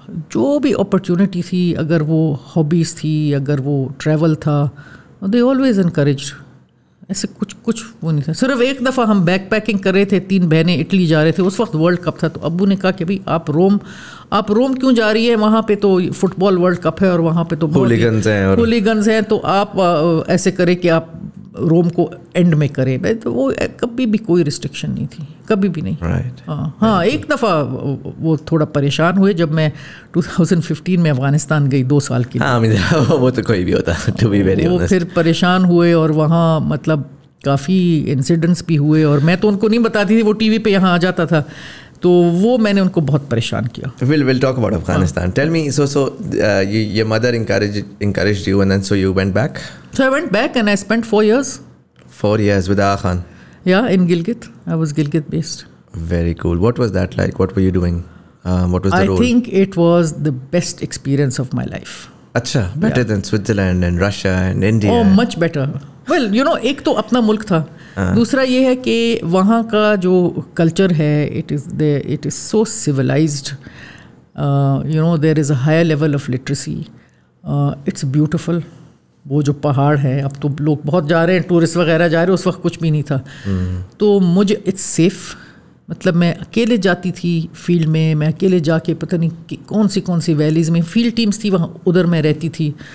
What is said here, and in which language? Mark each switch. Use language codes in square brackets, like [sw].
[ur] Jo bhi opportunity thi, agar wo hobbies thi, agar wo travel tha, they always encouraged. ایسے کچھ وہ نہیں تھا. صرف ایک دفعہ ہم بیک پیکنگ کر رہے تھے, 3 بہنیں اٹلی جا رہے تھے, اس وقت ورلڈ کپ تھا, تو ابو نے کہا کہ بھائی آپ روم کیوں جا رہی ہیں, وہاں پہ تو فٹ بال ورلڈ کپ ہے اور وہاں پہ تو ہولیگنز ہیں, تو آپ ایسے کریں کہ آپ روم کو اینڈ میں کریں. تو وہ کبھی بھی کوئی ریسٹرکشن نہیں تھی, کبھی بھی نہیں. ہاں ایک دفعہ وہ تھوڑا پریشان ہوئے جب میں 2015 میں افغانستان گئی 2 سال کے لیے, وہ تو کوئی بھی ہوتا, ٹو بی ویری ہونیسٹ, پھر پریشان ہوئے اور وہاں مطلب کافی انسیڈنٹس بھی ہوئے, اور میں تو ان کو نہیں بتاتی تھی, وہ ٹی وی پہ یہاں آ جاتا تھا, تو وہ میں نے ان کو بہت پریشان کیا. [en] We'll talk about Afghanistan. Tell me, so your mother encouraged you and then so you went back? So I went back and I spent 4 years. 4 years with Agha Khan? Yeah, in Gilgit. I was Gilgit based. Very cool. What was that like? What were you doing? What was the role? I think it was the best experience of my life. Achha, better than Switzerland and Russia and India. Oh, much better. Well, you know, ek to apna mulk tha. [ur] دوسرا یہ ہے کہ وہاں کا جو culture ہے it is so civilised. [en] You know there is a higher level of literacy. It's beautiful. [ur] وہ جو پہاڑ ہیں, اب تو لوگ بہت جا رہے ہیں, ٹورسٹ وغیرہ جا رہے ہیں, اس وقت کچھ بھی نہیں تھا. تو مجھے اٹس سیف. مطلب میں اکیلے جاتی تھی فیلڈ میں, میں اکیلے جا کے پتہ نہیں کون سی ویلیز میں فیلڈ ٹیمس تھی وہاں, ادھر میں رہتی تھی.